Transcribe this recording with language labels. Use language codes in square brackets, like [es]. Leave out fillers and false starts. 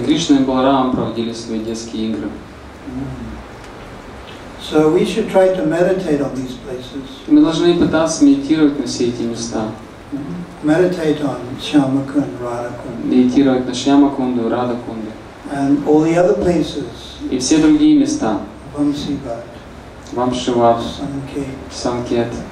[ru] Кришна и Баларам проводили свои детские игры. [en] So we should try to meditate on these places. [ru] Мы должны пытаться медитировать на все эти места. [en] Meditate on Shyamakund, Radhakund. [ru] Медитировать на Шьямакунду, Радхакунду. [en] And all the other places. [ru] И все другие места. Вамшивад. Вамшивад. Санкет.